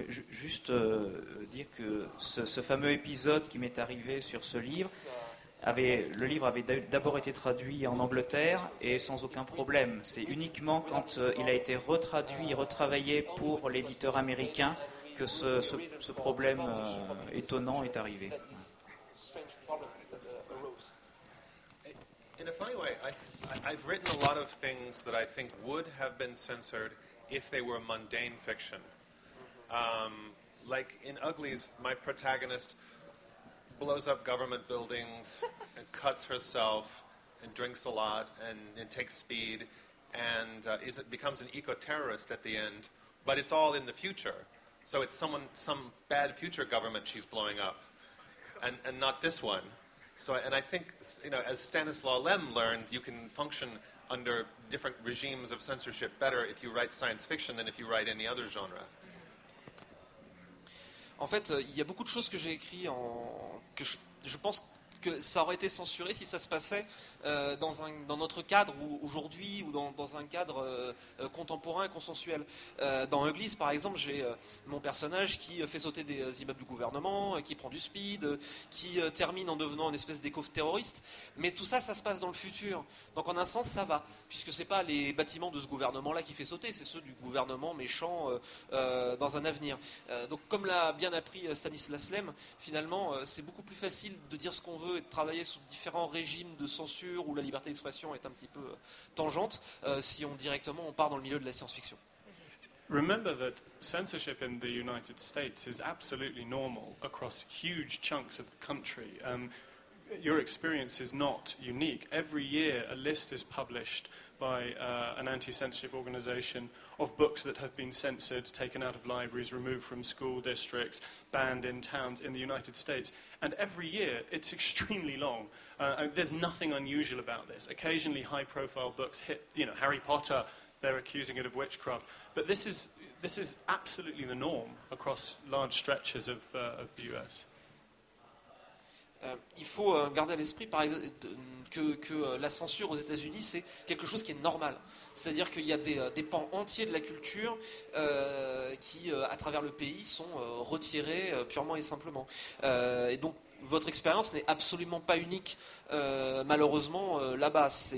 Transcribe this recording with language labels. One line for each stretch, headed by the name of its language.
French: Juste dire que ce fameux épisode qui m'est arrivé sur ce livre, le livre avait d'abord été traduit en Angleterre et sans aucun problème. C'est uniquement quand il a été retraduit, retravaillé pour l'éditeur américain que ce problème étonnant est arrivé.
English: In a funny way, I've written a lot of things that I think would have been censored if they were mundane fiction. Like in Uglies, my protagonist blows up government buildings and cuts herself and drinks a lot and takes speed and becomes an eco-terrorist at the end, but it's all in the future. So it's some bad future government she's blowing up and not this one. So I think, you know, as Stanislaw Lem learned, you can function under different regimes of censorship better if you write science fiction than if you write any other genre.
French: En fait, il y a beaucoup de choses que j'ai écrites que je pense que ça aurait été censuré si ça se passait dans notre cadre aujourd'hui ou dans un cadre contemporain, consensuel. Dans Uglies, par exemple, j'ai mon personnage qui fait sauter des immeubles du gouvernement, qui prend du speed, qui termine en devenant une espèce d'éco-terroriste. Mais tout ça se passe dans le futur. Donc en un sens, ça va, puisque ce n'est pas les bâtiments de ce gouvernement-là qui fait sauter, c'est ceux du gouvernement méchant dans un avenir. Donc comme l'a bien appris Stanislas Lem, finalement, c'est beaucoup plus facile de dire ce qu'on veut et de travailler sous différents régimes de censure où la liberté d'expression est un petit peu tangente, si on part dans le milieu de la science-fiction.
English: Remember that censorship in the United States is absolutely normal across huge chunks of the country. Your experience is not unique. Every year a list is published by an anti-censorship organization of books that have been censored, taken out of libraries, removed from school districts, banned in towns in the United States. And every year, it's extremely long. There's nothing unusual about this. Occasionally, high-profile books hit, you know, Harry Potter, they're accusing it of witchcraft. But this is absolutely the norm across large stretches of the U.S.
French: Il faut garder à l'esprit que la censure aux États-Unis, c'est quelque chose qui est normal. C'est-à-dire qu'il y a des pans entiers de la culture qui, à travers le pays, sont retirés purement et simplement. Et donc, votre expérience n'est absolument pas unique, malheureusement, là-bas.